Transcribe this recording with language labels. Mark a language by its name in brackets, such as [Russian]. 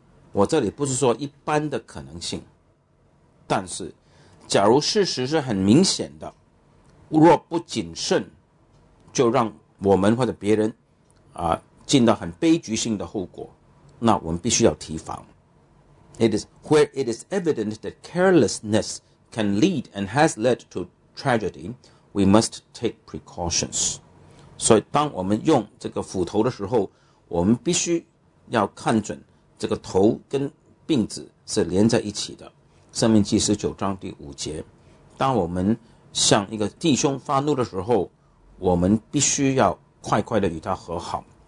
[Chinese] 我这里不是说一般的可能性，但是，假如事实是很明显的，若不谨慎，就让我们或者别人进到很悲剧性的后果，那我们必须要提防。 [English] It is where it is evident that carelessness can lead and has led to tragedy, we must take precautions. [Chinese] 所以当我们用这个斧头的时候，我们必须要看准这个头跟柄子是连在一起的，生命记十九章第五节，当我们向一个弟兄发怒的时候，我们必须要快快的与他和好。